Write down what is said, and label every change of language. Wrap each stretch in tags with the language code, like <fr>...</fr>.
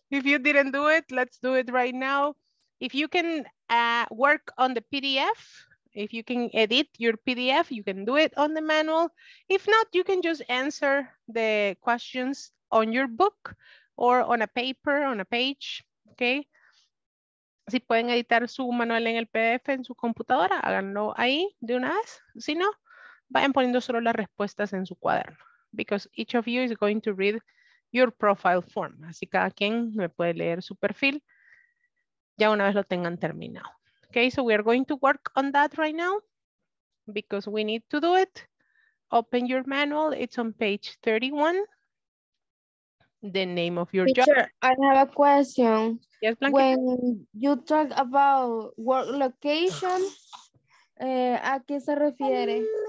<en>If you didn't do it, let's do it right now. If you can work on the PDF, if you can edit your PDF, you can do it on the manual. If not, you can just answer the questions on your book or on a paper, on a page, okay?</en> <es>Si pueden editar su manual en el PDF en su computadora, háganlo ahí de una vez. Si no, vayan poniendo solo las respuestas en su cuaderno.</es> <en>Because each of you is going to read your profile form.</en> <es>Así cada quien me puede leer su perfil ya una vez lo tengan terminado.</es> <en>Okay, so we are going to work on that right now because we need to do it. Open your manual. It's on page 31. The name of your teacher, job. I have a question. Yes, Blanca. When you talk about work location,</en> <es>¿a qué se refiere?</es>